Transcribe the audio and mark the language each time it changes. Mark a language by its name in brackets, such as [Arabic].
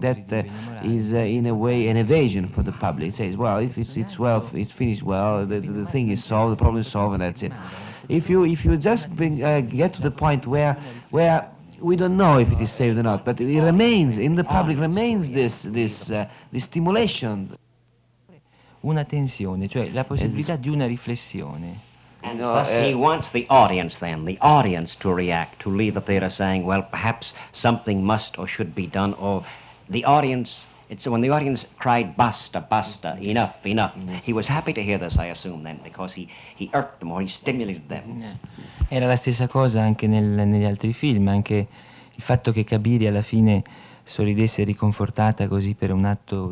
[English] That is, in a way, an evasion for the public. It says, well, if it's well, it's finished well, the thing is solved, the problem is solved, and that's it. If you just get to the point where we don't know if it is saved or not, but it remains, in the public remains this stimulation. [Italian] Una tensione, cioè la possibilità di una riflessione. [English] And thus he wants the audience to react, to leave the theater saying, well, perhaps something must or should be done, or the audience, it's when the audience cried, [Italian] basta, basta, [English] enough, enough. Mm-hmm. He was happy to hear this, I assume, then, because he irked them or he stimulated them. Yeah. [Italian] Era la stessa cosa anche negli altri film, anche il fatto che Kabiri alla fine sorridesse riconfortata così per un atto.